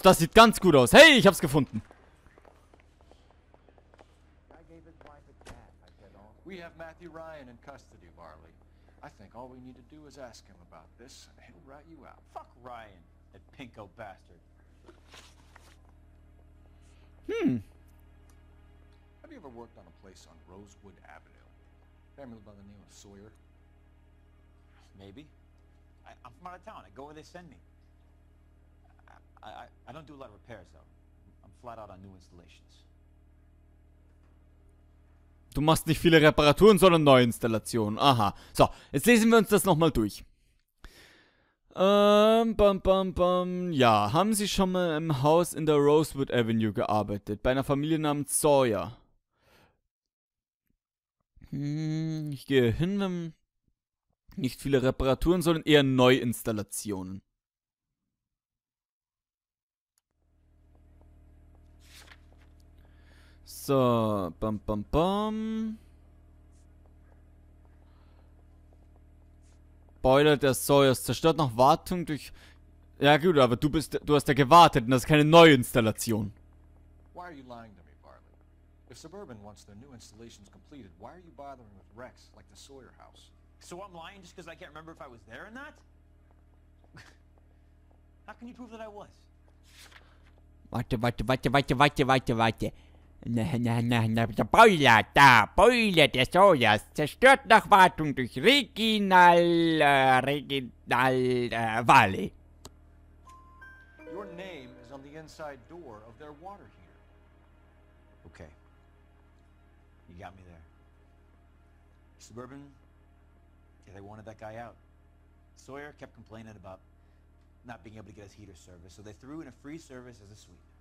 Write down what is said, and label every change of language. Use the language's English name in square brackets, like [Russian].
[German] Das sieht ganz gut aus. Hey, ich hab's gefunden. [English] We have Matthew Ryan in custody, Varley. I think all we need to do is ask him about this and he'll write you out. Fuck Ryan. That pinko bastard. Hmm. Have you ever worked on a place on Rosewood Avenue? Family by the name of Sawyer? Maybe. I'm from out of town. I go where they send me. I don't do a lot of repairs, though. I'm flat out on new installations. [German] Du machst nicht viele Reparaturen, sondern neue Installationen. Aha. So, jetzt lesen wir uns das nochmal durch. Ja, haben Sie schon mal im Haus in der Rosewood Avenue gearbeitet? Bei einer Familie namens Sawyer? Ich gehe hin, wenn... Nicht viele Reparaturen, sondern eher Neuinstallationen. So, bam bam bam. Boiler der Sawyers zerstört noch Wartung durch... Ja gut, aber du hast ja gewartet und das ist keine Neuinstallation. [English] Why are you lying to me, Barley? If Suburban wants their new installations completed, why are you bothering with Rex like the Sawyer house? So I'm lying just because I can't remember if I was there or not? How can you prove that I was? [German] Warte. Der Boiler da, Boiler der Sojas, zerstört nach Wartung durch Regional Valley. [English] Your name is on the inside door of their water heater. Okay. You got me there. Suburban, yeah, they wanted that guy out. Sawyer kept complaining about not being able to get his heater service, so they threw in a free service as a sweep.